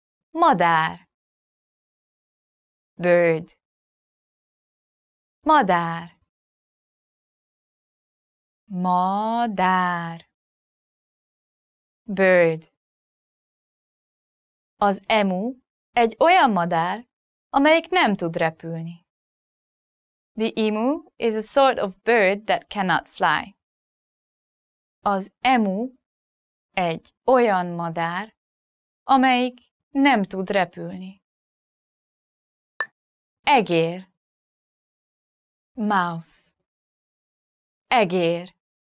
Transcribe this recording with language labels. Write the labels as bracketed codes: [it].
[hu] Madár. [en] Bird. [hu] Madár. Madár. [en] Bird. [hu] Az emu egy olyan madár, amelyik nem tud repülni. [en] The emu is a sort of bird that cannot fly. [hu] Az emu egy olyan madár, amelyik nem tud repülni. Egér. [en] Mouse. [hu] Egér.